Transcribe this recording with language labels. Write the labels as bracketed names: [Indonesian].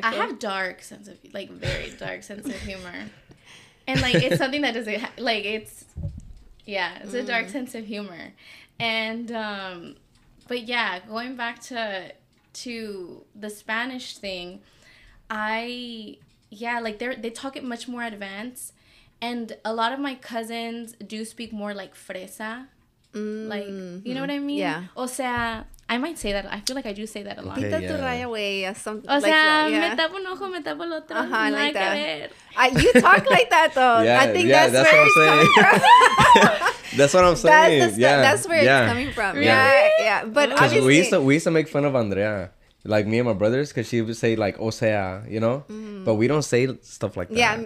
[English] I have dark sense of, like, very dark sense of humor, and like it's something that doesn't like it's a dark sense of humor, and but yeah, going back to the Spanish thing, they talk it much more advanced, and a lot of my cousins do speak more like fresa. Like, you know what I mean? Yeah. [Spanish] O sea, [English] I might say that. I feel like I do say that a lot. Pita tu raya away. [Spanish] O sea, me tapo un ojo, me tapo el otro. [English] Ajá, like that. You talk like that, though. Yeah, I think that's where it's coming from. That's what I'm saying. That's where it's coming from. Yeah. But obviously. Because we used to make fun of Andrea. Like, me and my brothers, because she would say, like, [Spanish] o sea, [English] you know? But we don't say stuff like that. Yeah,